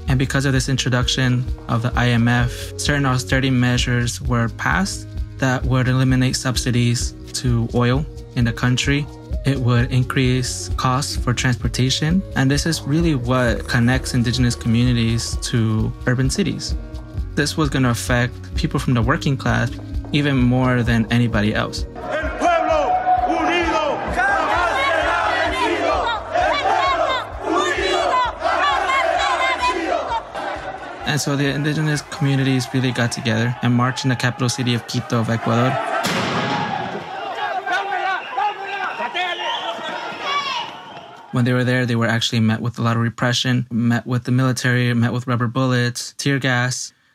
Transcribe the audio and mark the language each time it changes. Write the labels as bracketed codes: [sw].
[en] And because of this introduction of the IMF, certain austerity measures were passed that would eliminate subsidies to oil in the country. It would increase costs for transportation. And this is really what connects indigenous communities to urban cities. This was going to affect people from the working class even more than anybody else. [es] El pueblo unido jamás será vencido. El pueblo unido jamás será vencido. [en] And so the indigenous communities really got together and marched in the capital city of Quito, of Ecuador. When they were there, they were actually met with a lot of repression, met with the military, met with rubber bullets, tear gas.